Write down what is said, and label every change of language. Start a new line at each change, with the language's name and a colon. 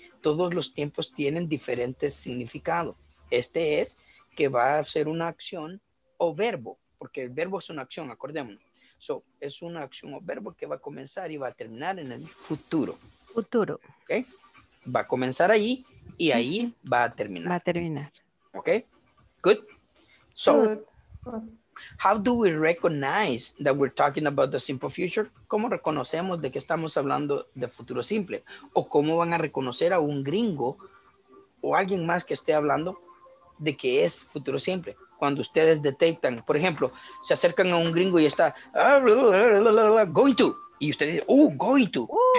Spanish: Todos los tiempos tienen diferentes significados. Este es que va a ser una acción o verbo, porque el verbo es una acción, acordémonos. So, es una acción o verbo que va a comenzar y va a terminar en el futuro. Futuro. Ok. Va a comenzar ahí y ahí va a terminar. Va a terminar.
English: Ok. Good. So, good. How do we recognize that we're talking about the simple future?
Spanish: ¿Cómo reconocemos de que estamos hablando de futuro simple? ¿O cómo van a reconocer a un gringo o alguien más que esté hablando de que es futuro simple? Cuando ustedes detectan, por ejemplo, se acercan a un gringo y está going to, y ustedes dicen, oh, going to.